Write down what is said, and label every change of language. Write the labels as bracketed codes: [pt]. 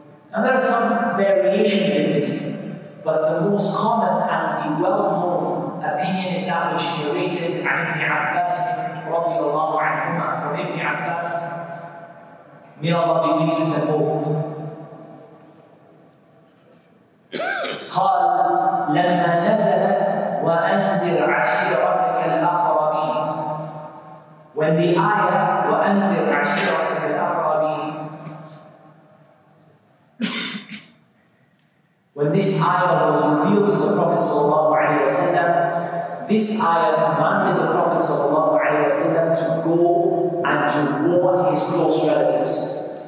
[en] And there are some variations in this, but the most common and the well-known opinion is that which is narrated by Ibn Abbas radiallahu anhuma. From Ibn Abbas, may Allah be pleased with them both. [ar] قال لما نزلت وأنذر عشيرتك الأقربين. [en] When the ayah [ar] وأنذر عشيرتك الأقربين. [en] When this ayah was revealed to the Prophet sallallahu alaihi wasallam, this ayah commanded the Prophet sallallahu alaihi wasallam to go and to warn his close relatives.